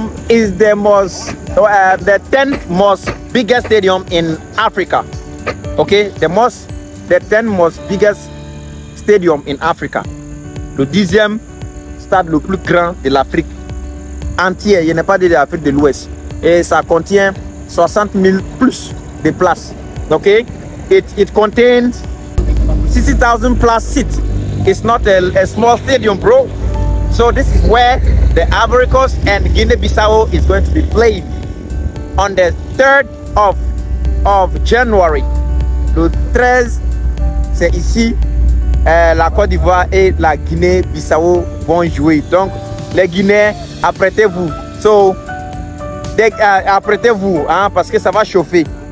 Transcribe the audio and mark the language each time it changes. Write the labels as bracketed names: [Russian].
[English] Is the most the 10th most biggest stadium in Africa. Okay, the 10th most biggest stadium in Africa. [French] Le 10e stade le plus grand de l'Afrique entière. Il n'est pas de l'Afrique de l'Ouest. Et ça contient 60 000 plus de places. [English] Okay, it contains 60,000 plus seats. It's not a small stadium, bro. So this is where the Ivory Coast and Guinea-Bissau is going to be played on the 3rd of January. [French] Le 13, c'est ici, la Côte d'Ivoire et la Guinée-Bissau vont jouer. Donc, les Guinéens, apprêtez-vous. So, apprêtez-vous, hein, parce que ça va chauffer.